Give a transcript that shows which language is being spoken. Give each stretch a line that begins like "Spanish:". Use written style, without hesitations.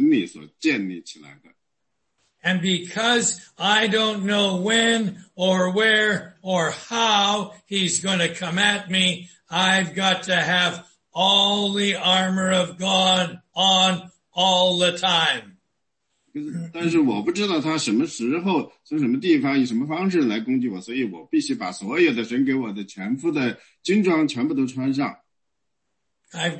Chinese: 他一直试图着想要毁掉我在神里所建立起来的。
English: And because I don't know when or where or how he's going to come at me, I've got to have all the armor of God on all the time.
Chinese: 但是我不知道他什么时候，从什么地方，以什么方式来攻击我，所以我必须把所有的神给我的全副的军装全部都穿上。
English: I've